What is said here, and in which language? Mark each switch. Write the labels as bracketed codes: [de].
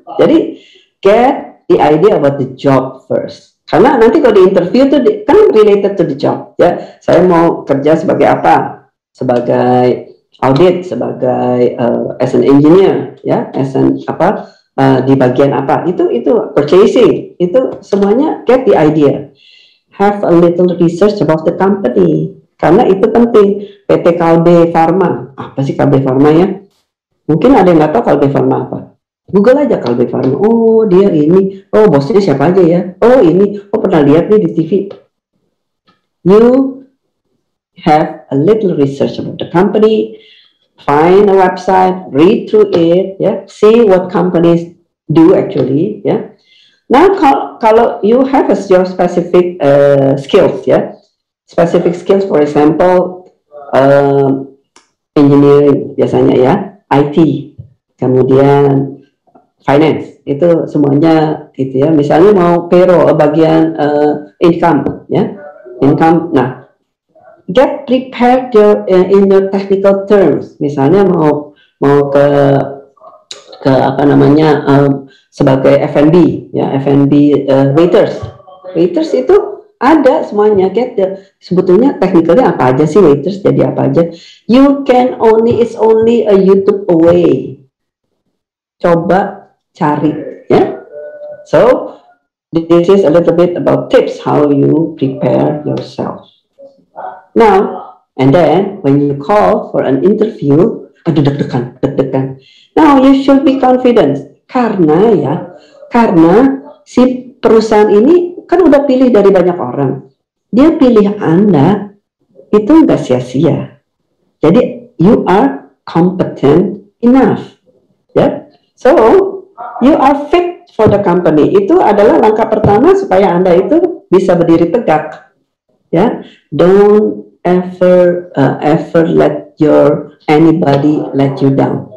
[en] Jadi, get the idea about the job first. [id] Karena nanti kalau di interview tuh kan [en] related to the job, [id] ya. Yeah? Saya mau kerja sebagai apa? Sebagai audit, sebagai [en] as an engineer, [id] ya, yeah? As an apa? Di bagian apa? Itu purchasing, itu semuanya [en] get the idea. Have a little research about the company. [id] Karena itu penting. PT Kalbe Farma. Apa sih Kalbe Farma ya? Mungkin ada yang enggak tahu Kalbe Farma apa. Google aja Kalbe Farma. Oh, dia ini. Oh, bosnya siapa aja ya? Oh, ini. Oh, pernah lihat nih di TV. [en] You have a little research about the company. Find a website, read through it, yeah. See what companies do actually, yeah. Now, kalau you have your specific skills, yeah, specific skills, for example, engineering biasanya ya, yeah? [id] IT, kemudian finance, itu semuanya gitu ya. Misalnya mau payroll, bagian income, ya, yeah? Income. Nah. [en] Get prepared in your technical terms. [id] Misalnya mau ke apa namanya sebagai F&B ya, F&B waiters itu ada semuanya. Get the, sebetulnya technically apa aja sih waiters, jadi apa aja. [en] You can only, it's only a YouTube away. [id] Coba cari ya. [en] So this is a little bit about tips how you prepare yourself. Now, and then, when you call for an interview, [id] aduh deg-degan. [en] Now, you should be confident. [id] Karena ya, karena si perusahaan ini kan udah pilih dari banyak orang. Dia pilih Anda, itu gak sia-sia. [en] Jadi, you are competent enough. Yeah? So, You are fit for the company. [id] Itu adalah langkah pertama supaya Anda itu bisa berdiri tegak. [en] Ya, don't ever ever let your anybody let you down.